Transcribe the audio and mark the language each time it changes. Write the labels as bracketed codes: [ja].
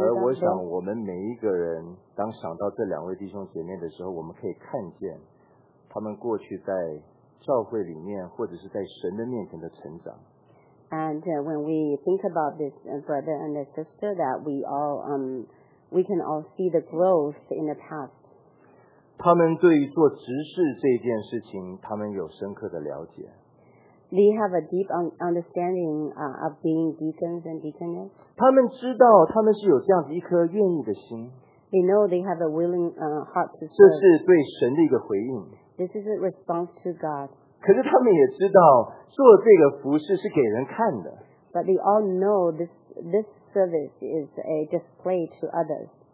[zh] 而我想，我们每一个人当想到这两位弟兄姐妹的时候，我们可以看见他们过去在 教会里面或者是在神的面前的成长。 [en] And when we think about this brother and the sister that we all we can all see the growth in the past. [zh] 他们对做执事这件事情，他们有深刻的了解。 [en] They have a deep understanding of being deacons and deaconess. [zh] 他们知道他们是有这样子一颗愿意的心。 [en] They know they have a willing heart to serve. [zh] 这是对神的一个回应。 [en] This is a response to God. [zh] 可是他们也知道做这个服事是给人看的。 [en] But they all know this service is a display to others.